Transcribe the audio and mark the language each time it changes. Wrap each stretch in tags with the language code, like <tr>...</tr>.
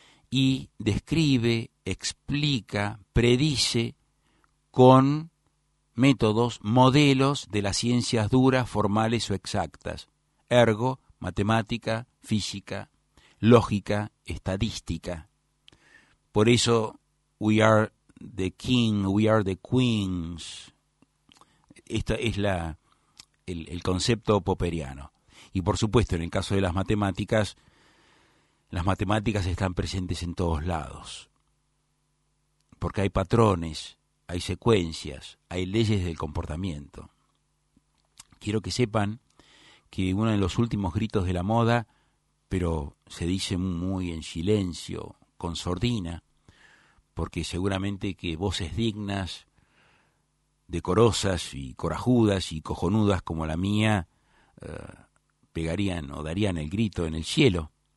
<es>y describe, explica, predice con métodos, modelos de las ciencias duras, formales o exactas, ergo, matemática, física, lógica, estadística. Por eso,</es> <en>we are the king, we are the queens.</en> <es>Esto es el concepto popperiano. Y por supuesto, en el caso de las matemáticas están presentes en todos lados. Porque hay patrones, hay secuencias, hay leyes del comportamiento. Quiero que sepan que uno de los últimos gritos de la moda, pero se dice muy en silencio, con sordina, porque seguramente que voces dignas, decorosas y corajudas y cojonudas como la mía pegarían o darían el grito en el cielo.</es>